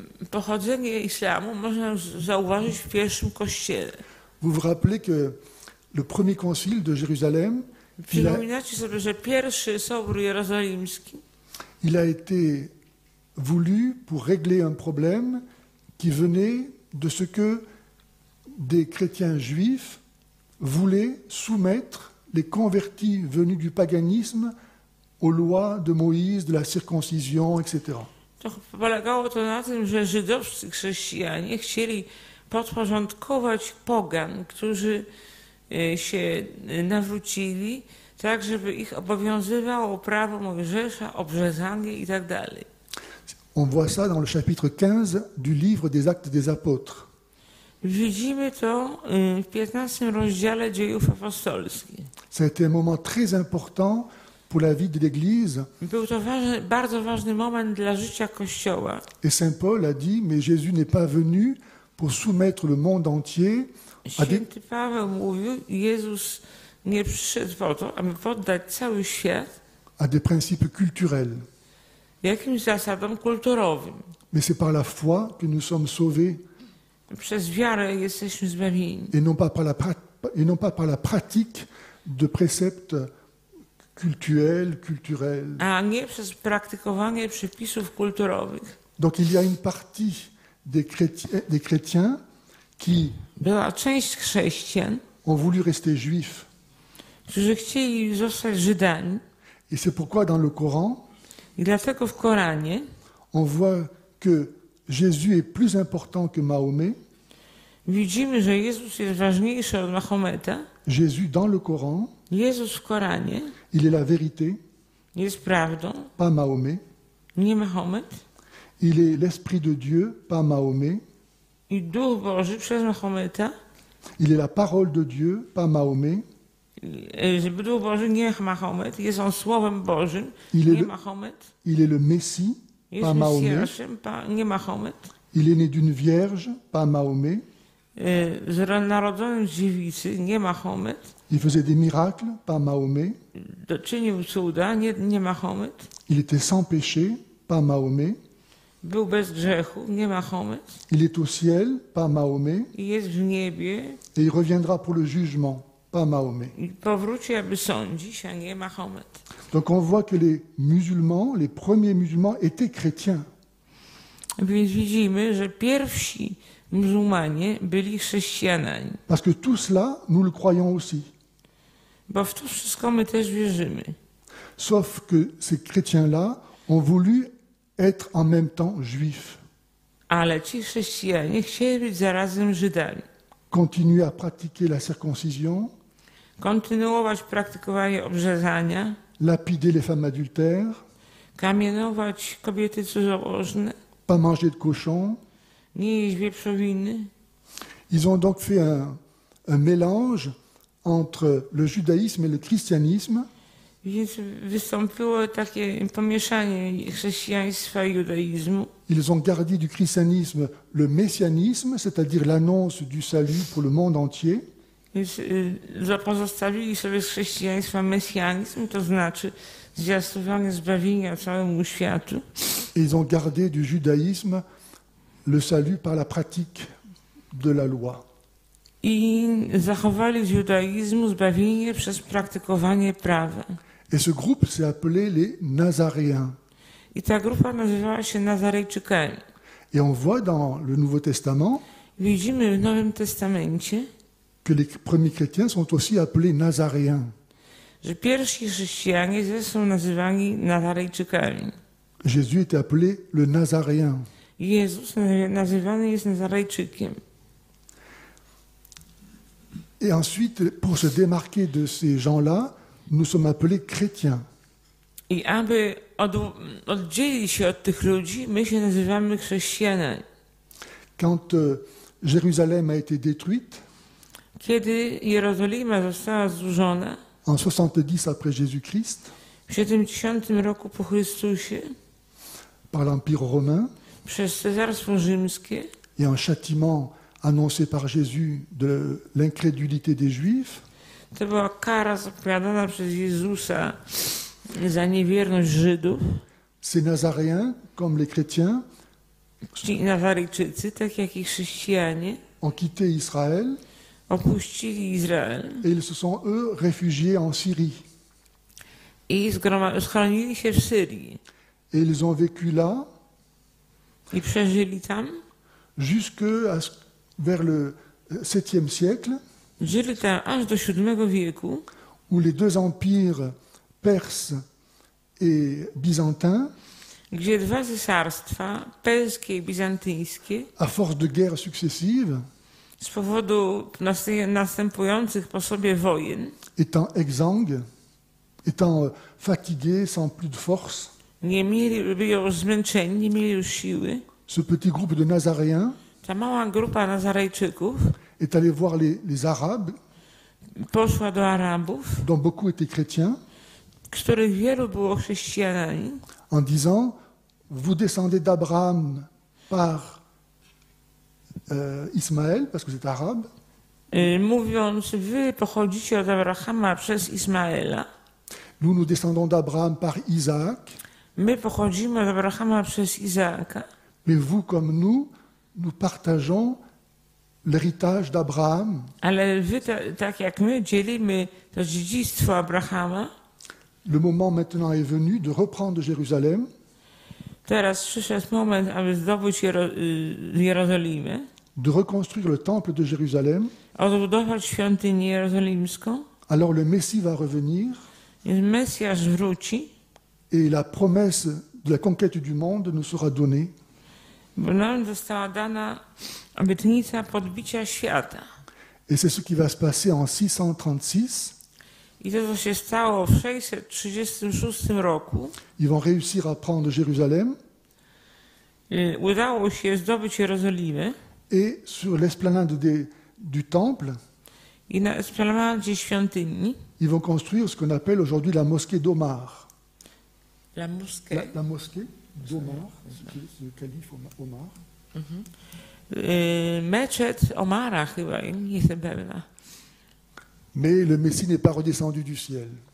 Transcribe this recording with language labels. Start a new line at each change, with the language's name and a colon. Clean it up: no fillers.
Polish: Pochodzenie islamu można zauważyć w pierwszym kościele.
French: Vous vous rappelez que le premier concile de Jérusalem.
Polish: Przypominacie sobie, że pierwszy sobór jerozolimski.
French: Il a été voulu pour régler un problème qui venait de ce que des chrétiens juifs voulaient soumettre les convertis venus du paganisme aux lois de Moïse, de la circoncision, etc.
Polish: To polegało to na tym, że żydowscy chrześcijanie chcieli podporządkować pogan, którzy się nawrócili, tak, żeby ich obowiązywało prawo Mojżesza, obrzezanie i tak dalej.
French: On voit ça dans le chapitre 15 du livre des Actes des Apôtres.
Polish: Widzimy to w 15 rozdziale Dziejów Apostolskich.
French: C'était un moment très important pour la vie de l'Église.
Polish: Był to ważny, bardzo ważny moment dla życia Kościoła.
French: Et Saint Paul a dit, mais Jésus n'est pas venu pour soumettre le monde entier à des...
Polish: Święty Paweł mówił, Jezus nie przyszedł po to, aby poddać cały świat
French: à des principes culturels.
Polish: Jakimś zasadom kulturowym.
French: Mais c'est par la foi que nous sommes sauvés.
Polish: Przez wiarę jesteśmy zbawieni.
French: Et non pas par la pratique de préceptes culturels.
Polish: A nie przez praktykowanie przepisów kulturowych.
French: Donc il y a une partie des chrétiens qui
Polish: była część chrześcijan
French: ont voulu rester juifs.
Polish: Którzy chcieli zostać Żydami.
French: Et c'est pourquoi dans le Coran
Polish: i dlatego w Koranie
French: on voit que Jésus est plus important que Mahomet.
Polish: Widzimy, że Jezus jest ważniejszy od Mahometa.
French: Jésus dans le Coran.
Polish: Jezus w Koranie.
French: Il est la vérité.
Polish: Jest prawdą.
French: Pas Mahomet.
Polish: Nie Mahomet.
French: Il est l'esprit de Dieu, pas Mahomet.
Polish: I Duch Boży przez Mahometa.
French: Il est la parole de Dieu, pas Mahomet.
Polish: Duch Boży nie Mahomet, jest on słowem Bożym, nie Mahomet.
French: Il est le Messie. Pas Mahomet.
Polish: Nie Mahomet.
French: Il est né d'une vierge, pas Mahomet.
Polish: Narodzony z dziewicy, nie Mahomet.
French: Il faisait des miracles, pas Mahomet.
Polish: Doczynił cuda, nie Mahomet.
French: Il était sans péché, pas Mahomet.
Polish: Był bez grzechu, nie Mahomet.
French: Il est au ciel, pas Mahomet.
Polish: Jest w niebie.
French: Et il reviendra pour le jugement, pas Mahomet.
Polish: I powróci, aby sądzić, a nie Mahomet.
French: Donc on voit que les musulmans, les premiers musulmans, étaient chrétiens.
Polish: Więc widzimy, że pierwsi muzułmanie byli chrześcijanami.
French: Parce que tout cela, nous le croyons aussi.
Polish: Bo w to wszystko my też wierzymy.
French: Sauf que ces chrétiens-là ont voulu être en même temps juifs.
Polish: Ale ci chrześcijanie chcieli być zarazem Żydami.
French: Continuer à pratiquer la circoncision.
Polish: Kontynuować praktykowanie obrzezania.
French: Lapider les femmes adultères.
Polish: Kamienować kobiety cudzołożne.
French: Pas manger de cochon.
Polish: Nie jeść wieprzowiny.
French: Ils ont donc fait un mélange entre le judaïsme et le christianisme.
Polish: Więc wystąpiło takie pomieszanie chrześcijaństwa i judaizmu.
French: Ils ont gardé du christianisme le messianisme, c'est-à-dire l'annonce du salut pour le monde entier.
Polish: Zapozostawili sobie z chrześcijaństwa mesjanizm, to znaczy zwiastowanie zbawienia całemu światu.
French: Ils ont gardé du judaïsme le salut par la pratique de la loi.
Polish: I zachowali z judaizmu zbawienie przez praktykowanie prawa.
French: Et ce groupe s'est appelé les Nazaréens.
Polish: I ta grupa nazywała się Nazarejczykami.
French: Et on voit dans le Nouveau Testament.
Polish: Widzimy w Nowym Testamencie.
French: Que les premiers chrétiens sont aussi appelés Nazaréens.
Polish: Że pierwsi chrześcijanie są nazywani Nazarejczykami.
French: Jésus était appelé le Nazaréen.
Polish: Jezus nazywany jest Nazarejczykiem.
French: Et ensuite, pour se démarquer de ces gens-là, nous sommes appelés chrétiens.
Polish: I aby oddzielić się od tych ludzi, my się nazywamy chrześcijanami.
French: Quand Jérusalem a été détruite,
Polish: kiedy Jerozolima została zburzona,
French: en 70 après Jésus-Christ,
Polish: w 70 roku po Chrystusie,
French: par l'Empire romain,
Polish: przez Cezarstwo Rzymskie,
French: et un châtiment annoncé par Jésus de l'incrédulité des Juifs,
Polish: to była kara zapowiadana przez Jezusa za niewierność Żydów,
French: ces Nazaréens, comme les chrétiens,
Polish: ci Nazarejczycy, tak jak i chrześcijanie,
French: ont quitté Israël,
Polish: opuścili Izrael.
French: Et ils se sont, eux, réfugiés en Syrie.
Polish: I schronili się w Syrii.
French: Et ils ont vécu là.
Polish: I przeżyli tam.
French: Jusque vers le 7e siècle.
Polish: Żyli tam aż do 7 wieku.
French: Où les deux empires, Perse et Byzantin,
Polish: gdzie dwa cesarstwa, perskie i bizantyńskie,
French: à force de guerres successives,
Polish: z powodu następujących po sobie wojen,
French: étant exsangue, étant fatigué, sans plus de force,
Polish: nie mieli, byli już zmęczeni, nie mieli już siły,
French: ce petit groupe de Nazaréens,
Polish: ta mała grupa Nazarejczyków,
French: est allée voir les Arabes,
Polish: poszła do Arabów,
French: dont beaucoup étaient chrétiens,
Polish: których wielu było chrześcijanami,
French: en disant, vous descendez d'Abraham par Ismaël, parce que c'est arabe.
Polish: Mówiąc, wy pochodzicie od Abrahama przez Ismaela.
French: Nous, nous descendons d'Abraham par Isaac.
Polish: My pochodzimy od Abrahama przez Izaaka.
French: Mais vous comme nous, nous partageons l'héritage d'Abraham.
Polish: Ale wy, tak jak my, dzielimy to dziedzictwo Abrahama.
French: Le moment maintenant est venu de reprendre Jérusalem.
Polish: Teraz przyszedł moment, aby zdobyć Jerozolimę.
French: De reconstruire le temple de Jérusalem.
Polish: Odbudować świątynię jerozolimską.
French: Alors le Messie va revenir.
Polish: Więc Mesjasz wróci.
French: Et la promesse de la conquête du monde nous sera donnée.
Polish: Bo nam została dana obietnica podbicia świata.
French: Et c'est ce qui va se passer en 636.
Polish: I to, co się stało w 636 roku.
French: Ils vont réussir à prendre Jérusalem.
Polish: Udało się zdobyć Jerozolimę.
French: Et sur l'esplanade du temple.
Polish: I na esplanadzie świątyni.
French: Ils vont construire ce qu'on appelle aujourd'hui la mosquée d'Omar. La mosquée. La mosquée d'Omar, c'est le calife Omar.
Polish: Meczet Omara, chyba, nie jestem pewna.
French: Mais le Messie n'est pas redescendu du ciel.